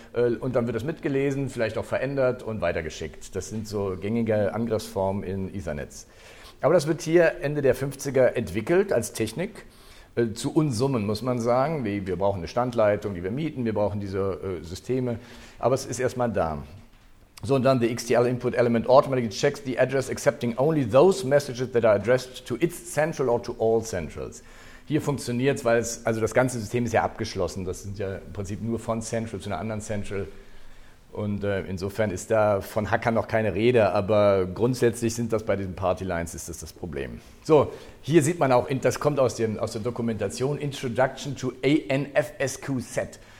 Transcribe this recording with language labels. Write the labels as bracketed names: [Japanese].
[German] Und dann wird das mitgelesen, vielleicht auch verändert und weitergeschickt. Das sind so gängige Angriffsformen in Ethernets. Aber das wird hier Ende der 50er entwickelt als Technik. Zu Unsummen, muss man sagen. Wir brauchen eine Standleitung, die wir mieten, wir brauchen diese Systeme. Aber es ist erstmal da. So, und dann [English] the XTL input element automatically checks the address, accepting only those messages that are addressed to its central or to all centrals. [German] Hier funktioniert es, weil es, also das ganze System ist ja abgeschlossen. Das sind ja im Prinzip nur von Central zu einer anderen Central. Und insofern ist da von Hackern noch keine Rede, aber grundsätzlich sind das bei diesen Party-Lines ist das Problem. So, hier sieht man auch, das kommt aus der Dokumentation, Introduction to ANFSQZ.